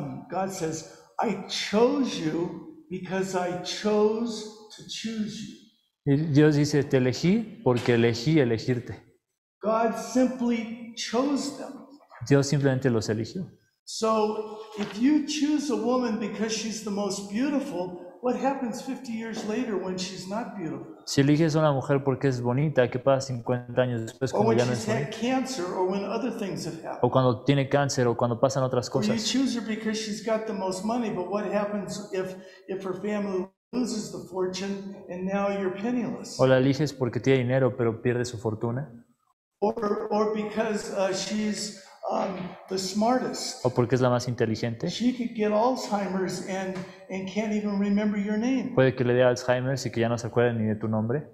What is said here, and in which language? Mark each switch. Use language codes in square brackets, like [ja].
[en] God says, I chose you because I chose to choose you. [es] Y Dios dice, te elegí porque elegí elegirte. [en] God simply chose them. [es] Dios simplemente los eligió. [en] So, if you choose a woman because she's the most beautiful, what happens 50 years later when she's not beautiful? [es] Si eliges a una mujer porque es bonita, ¿qué pasa 50 años después cuando ya no es bonita? [en] Or when she's had cancer, or when other things have happened. [es] O cuando tiene cáncer, o cuando pasan otras cosas. [en] Or you choose her because she's got the most money, but what happens if her family loses the fortune and now you're penniless? [es] O la eliges porque tiene dinero, pero pierde su fortuna. [en] Or because she's the smartest. [es] ¿O porque es la más inteligente? [en] She could get Alzheimer's and can't even remember your name. [es] Puede que le dé Alzheimer's y que ya no se acuerde ni de tu nombre.